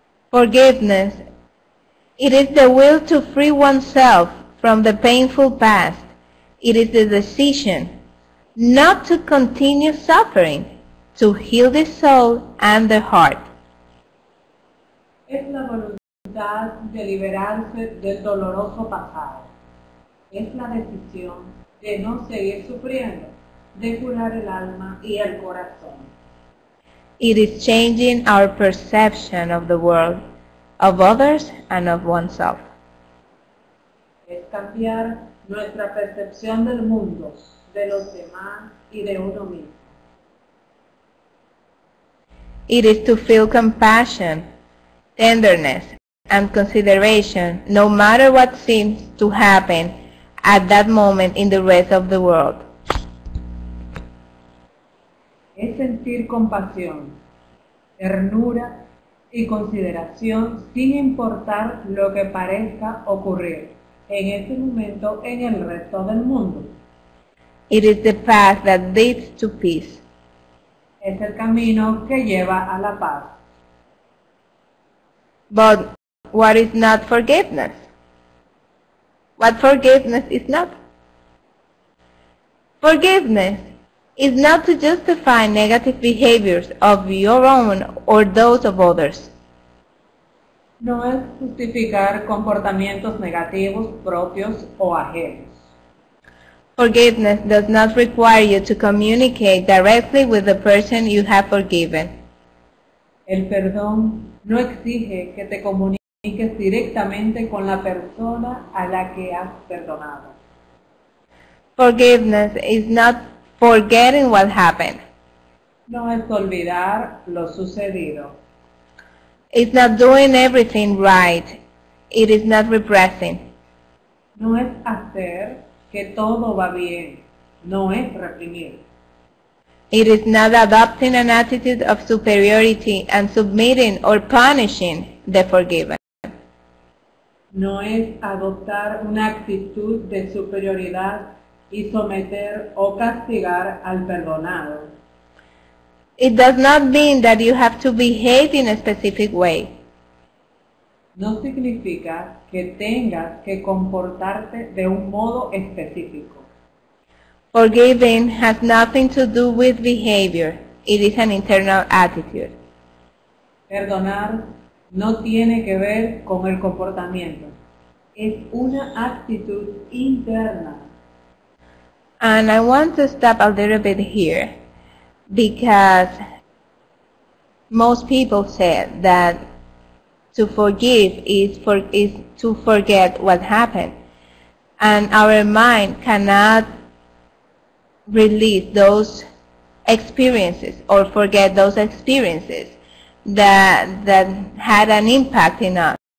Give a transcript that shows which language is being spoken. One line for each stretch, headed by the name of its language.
English: Forgiveness, it is the will to free oneself from the painful past. It is the decision not to continue suffering, to heal the soul and the heart.
Spanish: Es la voluntad de liberarse del doloroso pasado. Es la decisión de no seguir sufriendo, de curar el alma y el corazón.
English: It is changing our perception of the world, of others and of oneself.
Spanish: Es cambiar nuestra percepción del mundo, de los demás y de uno mismo.
English: It is to feel compassion, tenderness, and consideration no matter what seems to happen at that moment in the rest of the world.
Spanish: Es sentir compasión, ternura y consideración sin importar lo que parezca ocurrir en este momento en el resto del mundo.
English: It is the path that leads to peace.
Spanish: Es el camino que lleva a la paz.
English: But what is not forgiveness? What forgiveness is not? Forgiveness is not to justify negative behaviors of your own or those of others.
Spanish: No es justificar comportamientos negativos propios o ajenos.
English: Forgiveness does not require you to communicate directly with the person you have forgiven.
Spanish: El perdón no exige que te comuniques directamente con la persona a la que has perdonado.
English: Forgiveness is not forgetting what happened.
Spanish: No es olvidar lo sucedido.
English: It's not doing everything right. It is not repressing.
Spanish: No es hacer que todo va bien, no es reprimir.
English: It is not adopting an attitude of superiority and submitting or punishing the forgiven.
Spanish: No es adoptar una actitud de superioridad y someter o castigar al perdonado.
English: It does not mean that you have to behave in a specific way.
Spanish: No significa que tengas que comportarte de un modo específico.
English: Forgiving has nothing to do with behavior. It is an internal attitude.
Spanish: Perdonar no tiene que ver con el comportamiento. Es una actitud interna.
English: And I want to stop a little bit here because most people say that to forgive is to forget what happened. And our mind cannot release those experiences or forget those experiences that had an impact in us.